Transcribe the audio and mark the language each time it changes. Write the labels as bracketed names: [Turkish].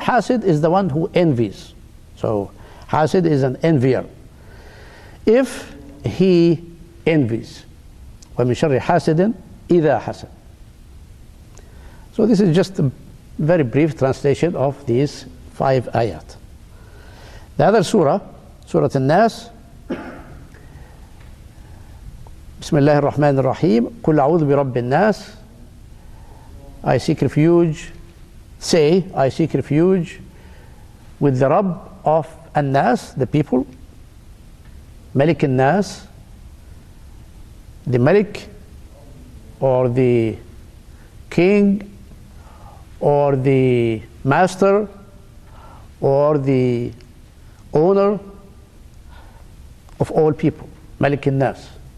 [English] Hasid is the one who envies. So hasid is an envier. If he envies. [Arabic] وَمِن شَرِّ حَاسِدٍ إِذَا حَسَدٍ. [English] So this is just a very brief translation of these five ayat. The other surah, Surah An-Nas, [Arabic] بسم الله الرحمن الرحيم قل أعوذ برب الناس. [English] I seek refuge. Say, I seek refuge with the Rabb of الناس, the people. [Arabic] ملك الناس, [English] the ملك, or the king, or the master, or the owner of all people. ملك الناس.